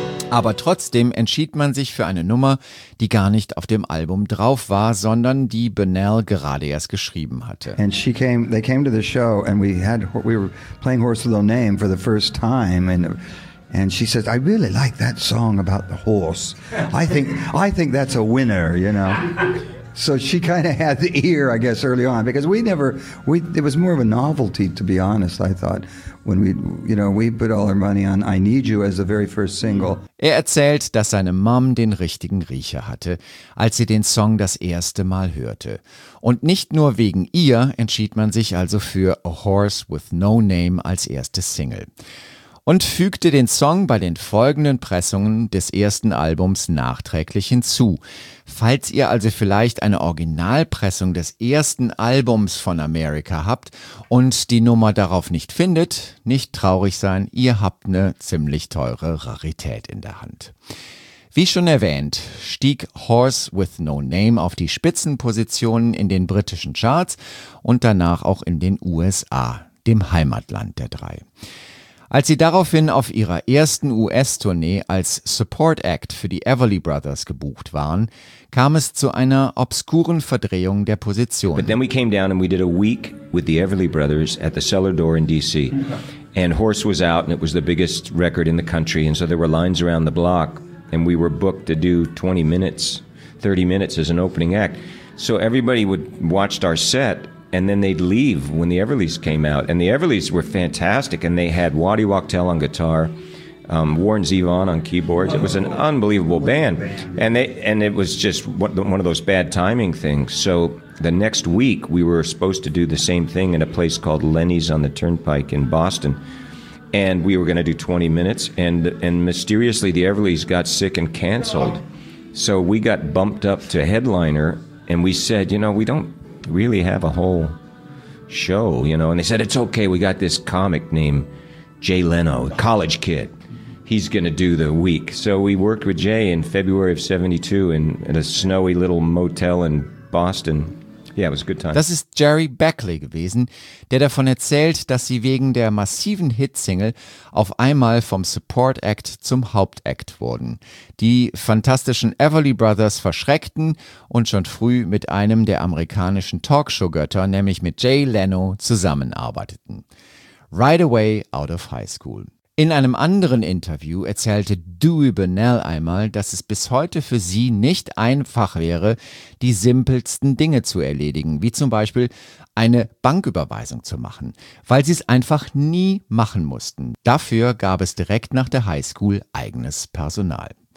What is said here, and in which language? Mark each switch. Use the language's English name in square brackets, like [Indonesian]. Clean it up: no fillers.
[German] Aber trotzdem entschied man sich für eine Nummer, die gar nicht auf dem Album drauf war, sondern die Burnell gerade erst geschrieben hatte. [English] And she came, they came to the show and we were playing Horse with No Name for the first time and she says, I really like that song about the horse. I think that's a winner, you know. So she kind of had the ear, I guess, early on, because it was more of a novelty, to be honest, I thought, when we put all our money on I Need You as the very first single. [German] Er erzählt, dass seine Mom den richtigen Riecher hatte, als sie den Song das erste Mal hörte. Und nicht nur wegen ihr entschied man sich also für A Horse with No Name als erste Single. Und fügte den Song bei den folgenden Pressungen des ersten Albums nachträglich hinzu. Falls ihr also vielleicht eine Originalpressung des ersten Albums von America habt und die Nummer darauf nicht findet, nicht traurig sein, ihr habt eine ziemlich teure Rarität in der Hand. Wie schon erwähnt, stieg Horse with No Name auf die Spitzenpositionen in den britischen Charts und danach auch in den USA, dem Heimatland der drei. Als sie daraufhin auf ihrer ersten US-Tournee als Support Act für die Everly Brothers gebucht waren, kam es zu einer obskuren Verdrehung der Position. [English] But then we came down and we did a week with the Everly Brothers at the Cellar Door in DC. And Horse was out and it was the biggest record in the country and so there were lines around the block and we were booked to do 20 minutes, 30 minutes as an opening act. So everybody would watch our set, and then they'd leave when the Everlys came out. And the Everlys were fantastic, and they had Waddy Wachtel on guitar, Warren Zevon on keyboards. It was an unbelievable band. And it was just one of those bad timing things. So the next week, we were supposed to do the same thing in a place called Lenny's on the Turnpike in Boston. And we were going to do 20 minutes. And mysteriously, the Everlys got sick and canceled. So we got bumped up to headliner. And we said, you know, we don't really have a whole show, you know. And they said, it's okay. We got this comic named Jay Leno, college kid. He's going to do the week. So we worked with Jay in February of 72 in a snowy little motel in Boston. Yeah, it was a good time. [German] Das ist Jerry Beckley gewesen, der davon erzählt, dass sie wegen der massiven Hitsingle auf einmal vom Support Act zum Hauptact wurden. Die fantastischen Everly Brothers verschreckten und schon früh mit einem der amerikanischen Talkshow-Götter, nämlich mit Jay Leno, zusammenarbeiteten. [English] Right away out of high school. [German] In einem anderen Interview erzählte Dewey Bunnell einmal, dass es bis heute für sie nicht einfach wäre, die simpelsten Dinge zu erledigen, wie zum Beispiel eine Banküberweisung zu machen, weil sie es einfach nie machen mussten. Dafür gab es direkt nach der Highschool eigenes Personal.